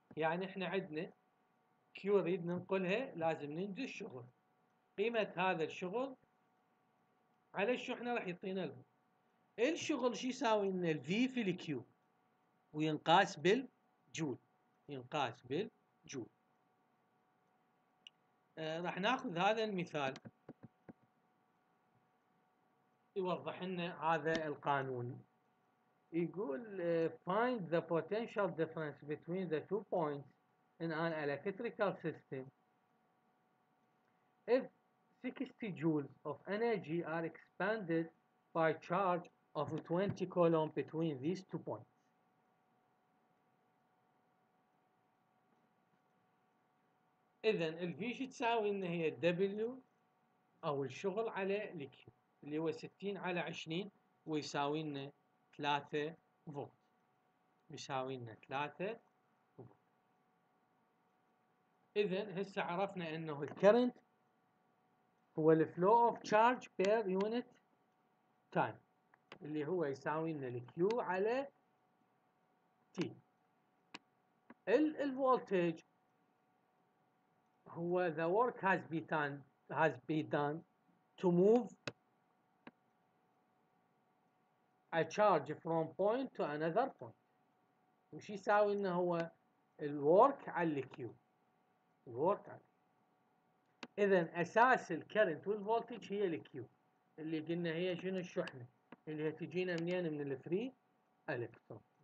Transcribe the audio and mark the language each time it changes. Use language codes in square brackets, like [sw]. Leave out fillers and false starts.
[ar] يعني احنا عندنا كيو نريد ننقلها لازم ننجز الشغل، قيمه هذا الشغل على الشحنه راح يعطينا الشغل شو يساوي ان الفي في الكيو وينقاس بالجول، ينقاس بالجول. راح ناخذ هذا المثال يوضح لنا هذا القانون. [en] يقول find the potential difference between the two points in an electrical system if 60 joules of energy are expanded by charge of 20 coulomb between these two points. [ar] اذا الفي شو تساوي ان هي الدبليو او الشغل على الكيو اللي هو 60 على 20 ويساوي لنا 3 فولت، يساوي لنا 3 فولت. اذا هسه عرفنا انه الكرنت هو [en] الفلو of charge per unit time [ar] اللي هو يساوي لنا الكيو على تي. الفولتج [en] هو the work has been done to move a charge from point to another point. [ar] وش يساوي إنه هو الwork على الـ Q. الwork على إذن أساس الـ current والـ voltage هي الـ Q اللي قلنا هي شنو الشحنة اللي هي تجينا منين من الـ free electron.